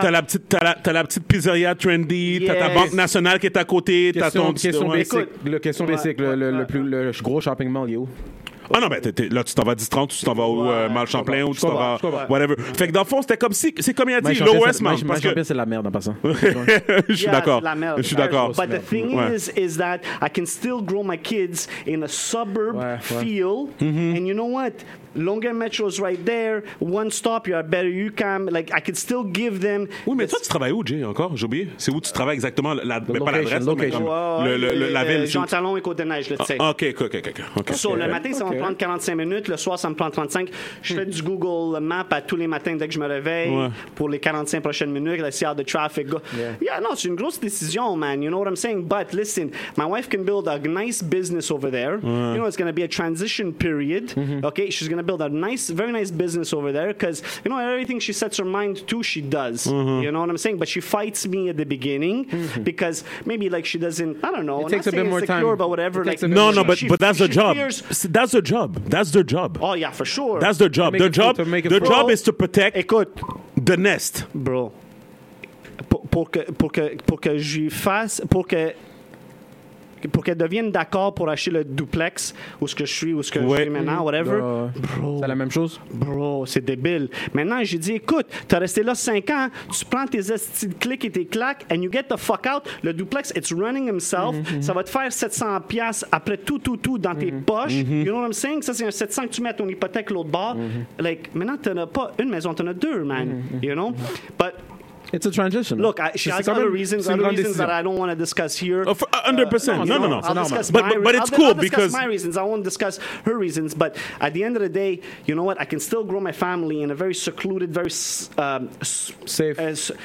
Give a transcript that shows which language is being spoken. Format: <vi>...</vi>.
<fr>T'as la petite pizzeria trendy, yes. T'as ta Banque Nationale qui est à côté, t'as ton... Question basique, le gros shopping mall, il est où? Ah non, ben là, tu t'en vas à 10-30, tu t'en vas au Mal-Champlain ou tu t'en vas. Whatever. Ouais. Fait que dans le fond, c'était comme si. C'est comme il a dit, Low West Mount. Mal-Champlain, c'est la merde en passant. Je suis d'accord. Je suis d'accord.</fr> <en>But the thing is that I can still grow my kids in a suburb feel. Mm-hmm. And you know what? Longueuil Metro is right there. One stop, you're at better UCAM. Like, I can still give them.</en> <fr>Oui, mais toi, tu travailles où, Jay, encore? J'ai oublié. C'est où tu travailles exactement? Mais pas l'adresse, mais la ville. Jean Talon et Côte-des-Neiges, là, tu sais. OK. So, le matin, ça me prend 45 minutes. Le soir, ça me prend 35. Je fais du Google Map à tous les matins dès que je me réveille pour les 45 prochaines minutes.</fr> <en>Let's see how the traffic goes. Yeah,</en> <fr>non, c'est une grosse décision, man.</fr> <en>You know what I'm saying? But listen, my wife can build a nice business over there. You know, it's going to be a transition period. OK, she's going to build a nice, very nice business over there because, you know, everything she sets her mind to, she does. Mm-hmm. You know what I'm saying? But she fights me at the beginning because maybe, like, she doesn't, I don't know. It takes a bit more insecure, time. But whatever. Like, no, no, but that's the job. That's the job. That's their job. Oh, yeah, for sure. That's their job. Their job is to protect the nest.</en> <fr>Bro, pour que je fasse, pour qu'elle devienne d'accord pour acheter le duplex où ce que je suis, où ce que je suis maintenant, whatever. Bro, c'est la même chose? Bro, c'est débile. Maintenant, j'ai dit, écoute, t'as resté là 5 ans, tu prends tes esti de clics et tes claques</fr> <en>and you get the fuck out. Le duplex, it's running himself. Mm-hmm.</en> <fr>Ça va te faire 700$ après tout dans tes poches. Mm-hmm.</fr> <en>You know what I'm saying?</en> <fr>Ça, c'est un 700 que tu mets ton hypothèque l'autre bord. Mm-hmm. Like, maintenant, t'en as pas une maison, t'en as deux, man.</fr> <en>Mm-hmm. You know? Mm-hmm. But... It's a transition. Look, she has other reasons that I don't want to discuss here. 100%. No. I'll discuss my reasons. I won't discuss her reasons. But at the end of the day, you know what? I can still grow my family in a very secluded, very safe,</en>